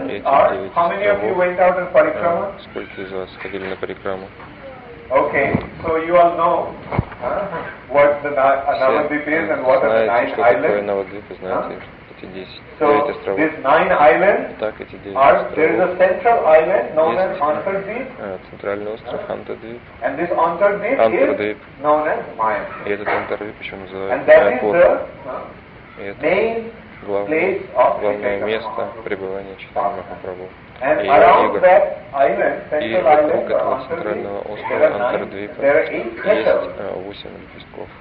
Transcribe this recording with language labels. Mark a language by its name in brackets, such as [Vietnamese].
[Russian] Сколько из вас ходили на парикраму? [English] Okay, so you all know what the Navadvip is and what are the nine islands. [Russian] Знаете, что такое Навадвип, знаете, эти девять островов. [English] So these nine islands are there is a central island known as Antardvip. [Russian] Центральный остров Антардвип. [English] And this Antardvip is known as Mayapur. [Russian] И этот Антардвип еще называют [English] Mayapur. And that is the main [Russian] главное место пребывания Чайтаньи Махапрабху. И вокруг Вокруг этого центрального острова Антардвипа есть 8 лепестков.